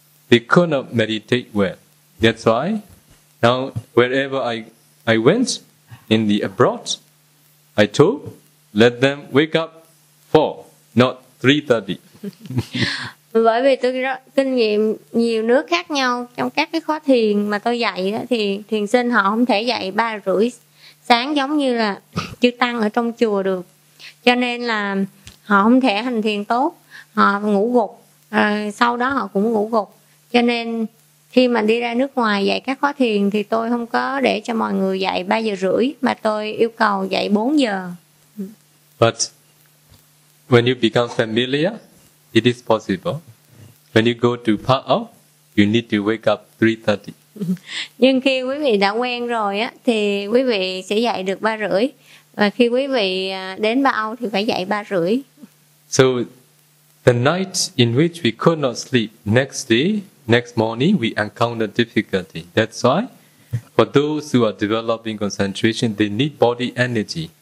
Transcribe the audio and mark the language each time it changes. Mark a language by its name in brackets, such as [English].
[English] They could not meditate well. That's why now wherever I went in the abroad, I told, let them wake up 4, not 3:30. [Vietnamese] Bởi vì tôi rất kinh nghiệm nhiều nước khác nhau trong các cái khóa thiền mà tôi dạy đó, thì thiền sinh họ không thể dạy 3:30 sáng giống như là chư tăng ở trong chùa được, cho nên là họ không thể hành thiền tốt, họ ngủ gục, sau đó họ cũng ngủ gục. Cho nên khi mà đi ra nước ngoài dạy các khóa thiền thì tôi không có để cho mọi người dạy 3:30 mà tôi yêu cầu dạy 4:00. [English] But when you become familiar, it is possible. When you go to Pa'o, you need to wake up 3:30. [Vietnamese] Nhưng khi quý vị đã quen rồi á, thì quý vị sẽ dạy được 3:30. Và khi quý vị đến Pa'o thì phải dạy 3:30. [English] So the night in which we could not sleep, next day, next morning, we encounter difficulty. That's why for those who are developing concentration, they need body energy.